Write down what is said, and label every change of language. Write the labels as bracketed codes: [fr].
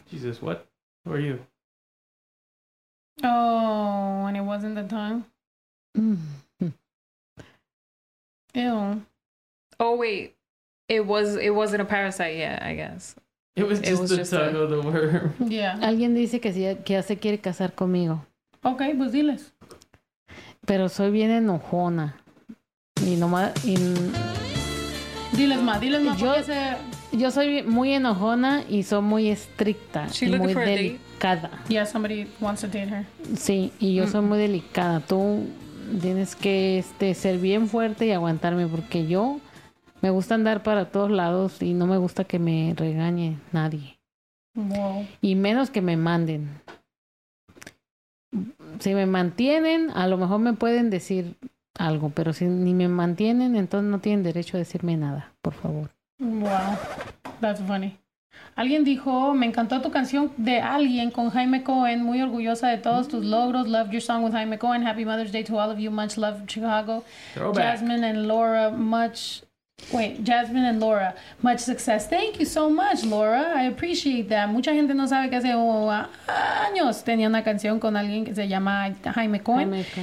[en] Jesus, what? Who are you? Oh, and it wasn't the tongue? Ew. Oh, wait. It wasn't a parasite yet, I guess. It was just the tongue of the worm. Yeah. [es] Alguien dice que ya se quiere casar conmigo. Okay, pues diles. Pero soy bien enojona. Y nomás... Diles más, porque se... Yo soy muy enojona y soy muy estricta y muy delicada. [en] Yeah, somebody wants to date her. [es] Sí, y yo soy muy delicada. Tú tienes que ser bien fuerte y aguantarme porque yo me gusta andar para todos lados y no me gusta que me regañe nadie. [en] Wow. [es] Y menos que me manden. si me mantienen, a lo mejor me pueden decir algo, pero si ni me mantienen, entonces no tienen derecho a decirme nada, por favor. [en] Wow, that's funny. [es] Alguien dijo, me encantó tu canción de Alguien con Jaime Cohen, muy orgullosa de todos tus logros. [en] Loved your song with Jaime Cohen. Happy Mother's Day to all of you. Much love, Chicago. Throwback. Jasmine and Laura, Jasmine and Laura, much success. Thank you so much, Laura. I appreciate that. [es] Mucha gente no sabe que hace años tenía una canción con alguien que se llama Jaime Cohen.